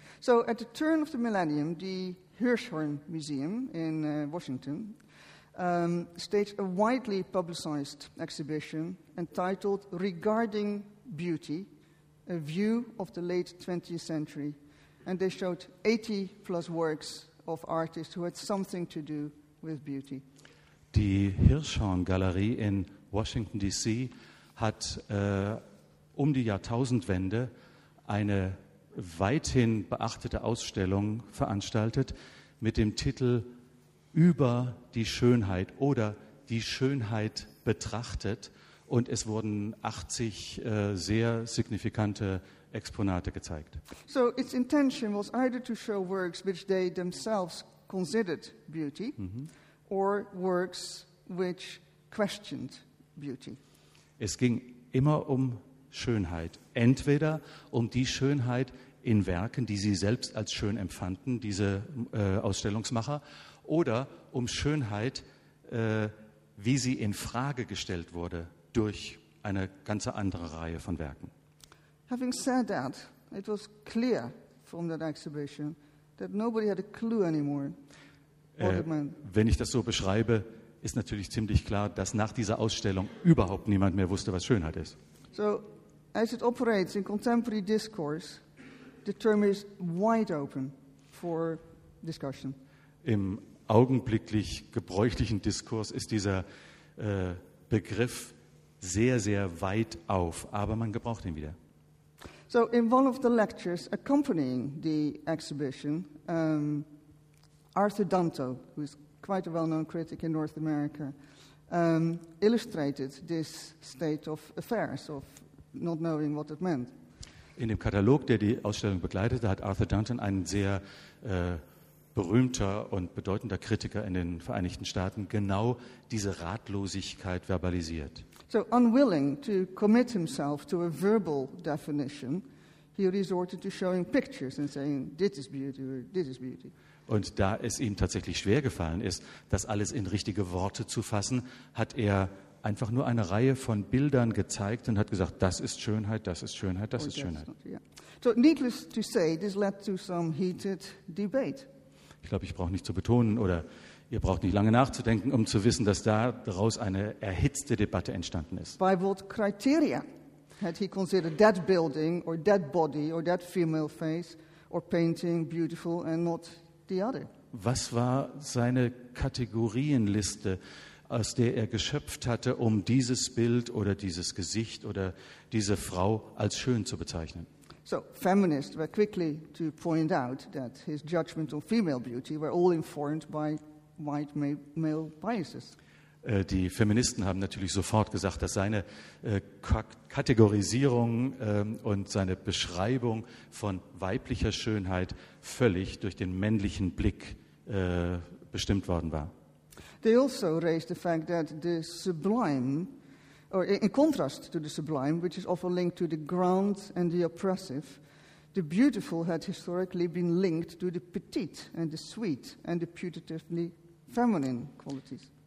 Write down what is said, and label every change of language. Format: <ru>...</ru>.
<en>So at the turn of the millennium, the Hirshhorn Museum in Washington staged a widely publicized exhibition entitled Regarding Beauty, a View of the Late 20th Century. And they showed 80 plus works of artists who had something to do with beauty.</en> <de>Die Hirshhorn Galerie in Washington DC hat um die Jahrtausendwende eine weithin beachtete Ausstellung veranstaltet mit dem Titel Über die Schönheit oder Die Schönheit betrachtet. Und es wurden 80 sehr signifikante Exponate gezeigt.</de> <en>So its intention was either to show works which they themselves considered beauty or works which questioned beauty.</en> <de>Es ging immer um Schönheit. Entweder um die Schönheit in Werken, die sie selbst als schön empfanden, diese Ausstellungsmacher, oder um Schönheit, wie sie in Frage gestellt wurde durch eine ganze andere Reihe von Werken.</de> <en>Having said that, it was clear from that exhibition that nobody had a clue anymore.</en> <de>Wenn ich das so beschreibe, ist natürlich ziemlich klar, dass nach dieser Ausstellung überhaupt niemand mehr wusste, was Schönheit ist.</de> <en>So, as it operates in contemporary discourse, the term is wide open for discussion.</en> <de>Im augenblicklich gebräuchlichen Diskurs ist dieser Begriff sehr, sehr weit auf, aber man gebraucht ihn wieder.</de> <en>So, in one of the lectures accompanying the exhibition, Arthur Danto, who is quite a well-known critic in North America, illustrated this state of affairs, of not knowing what it meant.</en> <de>In dem Katalog, der die Ausstellung begleitete, hat Arthur Danto, ein sehr berühmter und bedeutender Kritiker in den Vereinigten Staaten, genau diese Ratlosigkeit verbalisiert.</de> <en>So unwilling to commit himself to a verbal definition, he resorted to showing pictures and saying, this is beauty or this is beauty.</en> <de>Und da es ihm tatsächlich schwer gefallen ist, das alles in richtige Worte zu fassen, hat er einfach nur eine Reihe von Bildern gezeigt und hat gesagt, das ist Schönheit, das ist Schönheit, das ist Schönheit.</de> <en>So needless to say, this led to some heated debate.</en> <de>Ich glaube, ich brauche nicht zu betonen oder ihr braucht nicht lange nachzudenken, um zu wissen, dass daraus eine erhitzte Debatte entstanden ist.</de> <en>By what criteria had he considered that building or that body or that female face or painting beautiful and not the other?</en> <de>Was war seine Kategorienliste, aus der er geschöpft hatte, um dieses Bild oder dieses Gesicht oder diese Frau als schön zu bezeichnen?</de> <en>So, feminists were quickly to point out that his judgment on female beauty were all informed by white male biases.</en> <de>Die Feministen haben natürlich sofort gesagt, dass seine Kategorisierung und seine Beschreibung von weiblicher Schönheit völlig durch den männlichen Blick bestimmt worden war.</de> <en>They also raised the fact that the sublime, or in contrast to the sublime, which is often linked to the grand and the oppressive, the beautiful had historically been linked to the petite and the sweet and the putatively feminine qualities.</en>